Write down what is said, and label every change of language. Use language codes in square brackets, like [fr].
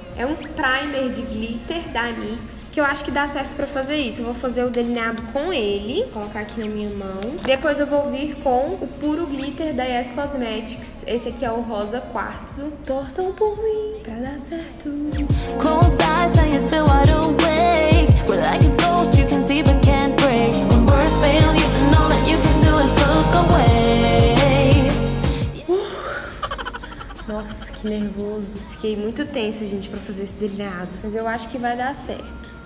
[pt] É um primer de glitter da NYX, que eu acho que dá certo pra fazer isso. Eu vou fazer o delineado com ele. Vou colocar aqui na minha mão. Depois eu vou vir com o puro glitter da Yes Cosmetics. Esse aqui é o rosa quartzo. Torçam por mim pra dar certo. [en] Close eyes and it's still wide awake. We're like a ghost, you can see but can't break. When words fail you, and all that you can do is look away. [pt] Nossa, que nervoso. Fiquei muito tensa, gente, pra fazer esse delineado. Mas eu acho que vai dar certo.